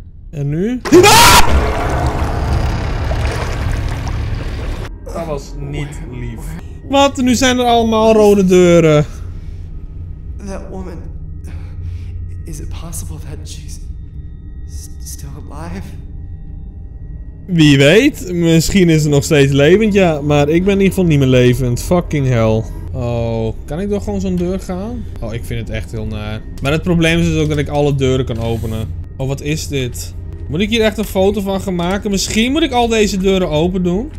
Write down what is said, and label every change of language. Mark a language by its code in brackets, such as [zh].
[nl] En nu? Dat was niet lief. Wat? Nu zijn er allemaal rode deuren. [en] That woman. Is it possible that she's still alive? [nl] Wie weet, misschien is ze nog steeds levend, ja. Maar ik ben in ieder geval niet meer levend. [en] Fucking hell. [nl] Oh, kan ik door gewoon zo'n deur gaan? Oh, ik vind het echt heel naar. Maar het probleem is dus ook dat ik alle deuren kan openen. Oh, wat is dit? Moet ik hier echt een foto van gaan maken? Misschien moet ik al deze deuren open doen.